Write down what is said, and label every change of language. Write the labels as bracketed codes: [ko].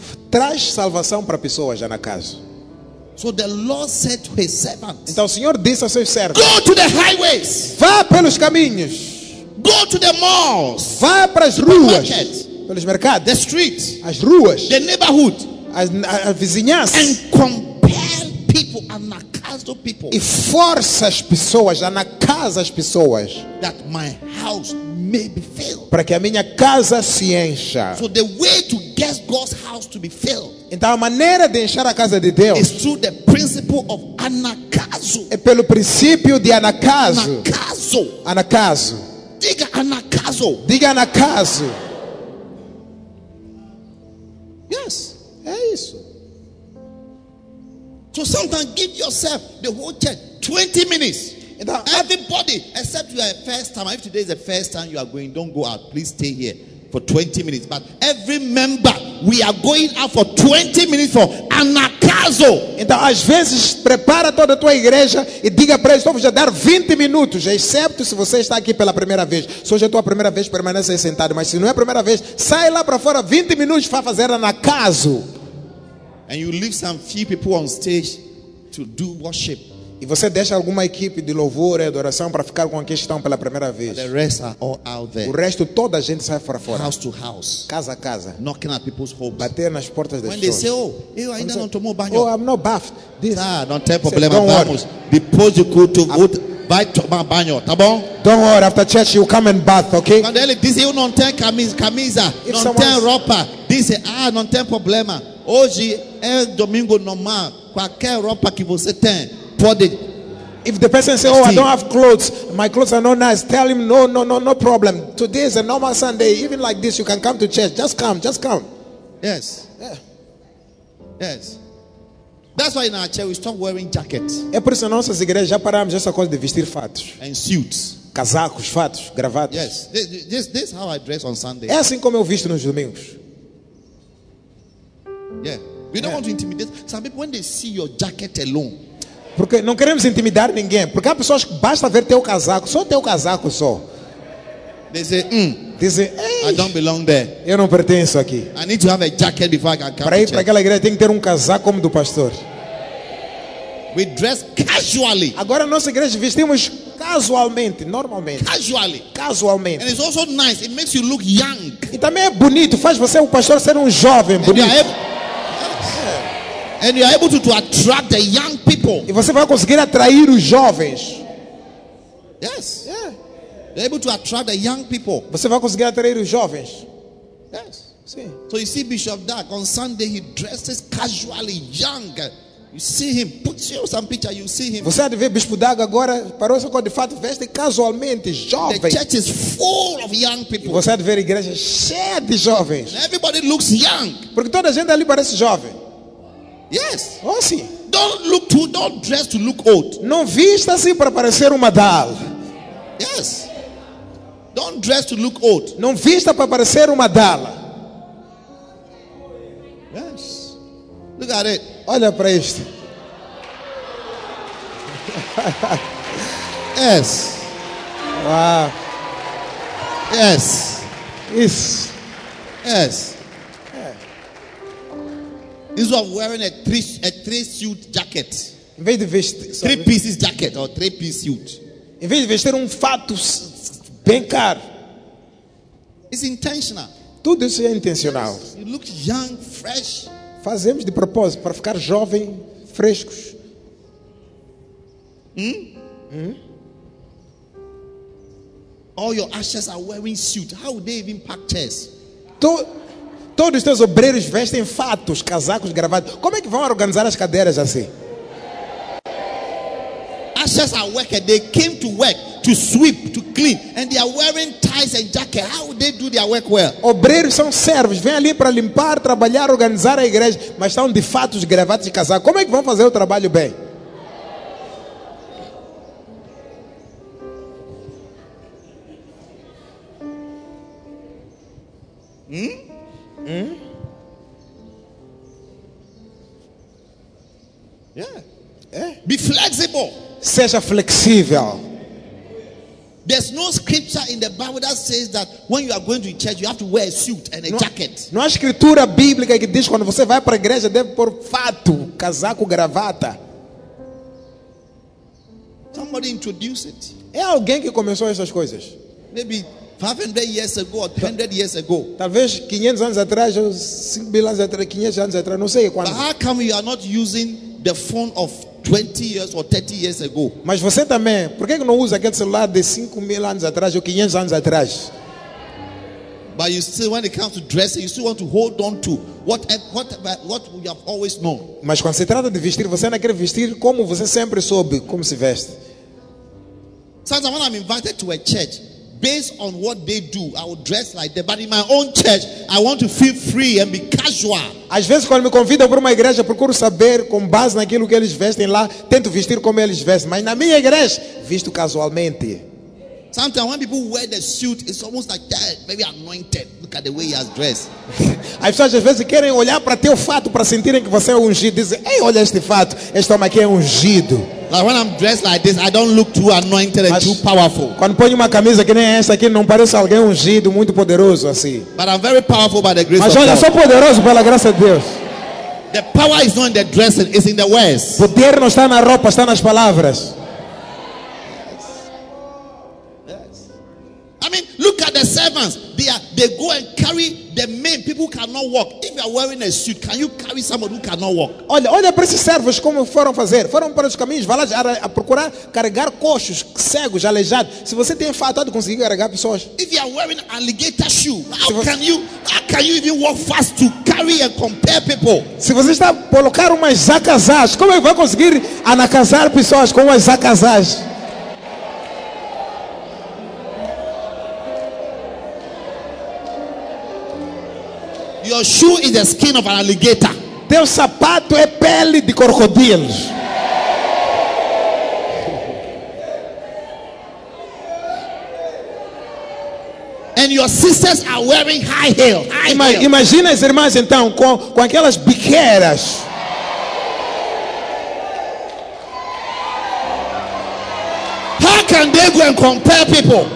[pt] Traz salvação para pessoas, anacaso. [en] So the Lord said to his servants. [pt] Então o Senhor disse aos seus servos. [en] Go to the highways. [pt] Vá pelos caminhos. [en] Go to the malls. [pt] Vá para as ruas. Pelos mercados. [en] The streets. [pt] As ruas. [en] The neighborhood. [pt] As vizinhanças. [en] And compel people, anacaso people. [pt] E força as pessoas, anacasa as pessoas. [en] That my house may be filled. [pt] Para que a minha casa se encha. [en] So the way to get God's house to be filled. [pt] Então a maneira de encher a casa de Deus. [en] Is through the principle of anacaso. [pt] É pelo princípio de anacaso. Anacaso. Anacaso. Diga anacaso. Diga anacaso. [en] Yes. [pt] É isso. [en] So sometimes give yourself the whole church 20 minutes. [pt] Então, [en] everybody, except you are a first time. If today is the first time you are going, don't go out. Please stay here for 20 minutes. But every member, we are going out for 20 minutes for anacaso. [pt] Então, às vezes, prepara toda a tua igreja e diga para eles, vou já dar 20 minutos, exceto se você está aqui pela primeira vez. Se hoje é a tua primeira vez, permaneça aí sentado. Mas se não é a primeira vez, sai lá para fora 20 minutos para fazer anacaso. [en] And you leave some few people on stage to do worship. [pt] E você deixa alguma equipe de louvor e adoração para ficar com aqueles que estão pela primeira vez. [en] The rest are all out there. [pt] O resto, toda a gente sai para fora. [en] House to house. [pt] Casa a casa. [en] Knocking at people's homes. [pt] Bater nas portas das pessoas. [en] When they say, oh, [pt] eu ainda não tomou banho. [en] Oh, I'm not bathed. This... [pt] Ah, não tem problema. [en] Don't worry. [pt] Vamos. Depois de culto, vai tomar banho, tá bom? [en] Don't worry. After church, you come and bath, okay? [pt] Quando ele diz, eu não tenho camisa, [en] if [pt] não tenho roupa. Diz, ah, não tem problema. Hoje é domingo normal. Qualquer roupa que você tem. Pode [en] If the person says, "Oh, I don't have clothes. My clothes are not nice." Tell him, no problem. Today is a normal Sunday. Even like this, you can come to church. Just come. Yes. Yeah. Yes. That's why in our church we stop wearing jackets. [pt] É por isso que nossas igrejas já paramos essa coisa de vestir fatos. [en] And suits. [pt] Casacos, fatos, gravatas. [en] Yes. This is how I dress on Sunday. [pt] É assim como eu visto nos domingos. [en] Yeah. We don't want to intimidate some people when they see your jacket alone. [pt] Porque não queremos intimidar ninguém. Porque há pessoas que basta ver teu casaco, só teu casaco só. [en] They say, "I don't belong there." [pt] Eu não pertenço aqui. [en] I need to have a jacket before I can come. [pt] Para ir para aquela igreja tem que ter um casaco como do pastor. [en] We dress casually. [pt] Agora na nossa igreja vestimos casualmente, normalmente. [en] Casualmente. And it's also nice. It makes you look young. [pt] E também é bonito, faz você o pastor ser jovem, bonito. [en] And you are able to attract the young people. [pt] E você vai conseguir atrair os jovens. [en] Yes. Yeah. You are able to attract the young people. [pt] Você vai conseguir atrair os jovens. [en] Yes. [pt] Sim. [en] So you see Bishop Dark on Sunday, he dresses casually young. You see him, put some picture, you see him. [pt] Você vê Bispo Dark agora, parou só com de fato, veste casualmente jovem. [en] The church is full of young people. [pt] E você vê a igreja cheia de jovens. [en] And everybody looks young. [pt] Porque toda a gente ali parece jovem. [en] Yes. [pt] Oh, sim. [en] Don't dress to look old. [pt] Não vista assim para parecer uma dal. [en] Yes. Don't dress to look old. [pt] Não vista para parecer uma dala. [en] Yes. Look at it. [pt] Olha para isto. [en] Yes. Wow. Yes. Yes. Yes. Instead of wearing a three suit jacket, [pt] em vez de vestir [en] three pieces jacket or three piece suit, [pt] em vez de vestir fato bem caro, [en] it's intentional. [pt] Tudo isso é intencional. [en] Yes, you look young, fresh. [pt] Fazemos de propósito para ficar jovem, frescos. [en] All your ushers are wearing suit. How would they even pack chairs? [pt] Todos os teus obreiros vestem fatos, casacos, gravatas. Como é que vão organizar as cadeiras assim? [en] Ushers are workers. They came to work, to sweep, to clean, and they are wearing ties and jackets. How would they do their work well? [pt] Obreiros são servos, vêm ali para limpar, trabalhar, organizar a igreja, mas estão de fatos, gravatas e casacos. Como é que vão fazer o trabalho bem? [en] Be flexible. [pt] Seja flexível. [en] There's no scripture in the Bible that says that when you are going to church, you have to wear a suit and a jacket. [pt] Não há escritura bíblica que diz quando você vai para a igreja deve pôr fato, casaco, gravata. [en] Somebody introduced it. [pt] É alguém que começou essas coisas. [en] Maybe 500 years ago or 100 years ago. [pt] Talvez 500 anos atrás ou 5000 anos atrás, 500 anos atrás, não sei quando. [en] But how come you are not using the phone of 20 years or 30 years ago? [pt] Mas você também, por que não usa aquele celular de 5000 anos atrás ou 500 anos atrás? [en] But you still, when it comes to dressing, you still want to hold on to what we have always known. [pt] Mas quando se trata de vestir, você não quer vestir como você sempre soube como se veste. [en] Sometimes when I'm invited to a church, based on what they do, I will dress like that. But in my own church, I want to feel free and be casual. [pt] Às vezes, quando me convidam para uma igreja, procuro saber, com base naquilo que eles vestem lá, tento vestir como eles vestem. Mas na minha igreja, visto casualmente. [en] Sometimes when people wear the suit, it's almost like that, very anointed. Look at the way he has dressed. [pt] As pessoas às vezes querem olhar para teu fato para sentirem que você é ungido. Dizem, ei, olha este fato, este homem aqui é ungido. [en] Like when I'm dressed like this, I don't look too anointed and too powerful. [pt] Quando ponho uma camisa que nem esta aqui, não pareço alguém ungido, muito poderoso assim. [en] But I'm very powerful by the grace of God. [pt] Mas olha, sou poderoso pela graça de Deus. [en] The power is not in the dressing, it's in the words. [pt] O poder não está na roupa, está nas palavras. [en] I mean, look look at the servants. They go and carry the men. People cannot walk. If you are wearing a suit, can you carry someone who cannot walk? [pt] Olha para esses servos como foram fazer. Foram para os caminhos, vai lá a procurar carregar coxos, cegos, aleijados. Se você tem fatado, conseguiu carregar pessoas? [en] If you are wearing an alligator shoe, how can you even walk fast to carry and compare people? [pt] Se você está a colocar umas jacazás, como é que vai conseguir anacazar pessoas com umas jacazás? [en] Your shoe is the skin of an alligator. [pt] Teu sapato é pele de crocodilo. [en] And your sisters are wearing high heel. [pt] Imagina as irmãs então com aquelas biqueiras. [en] How can they go and compare people?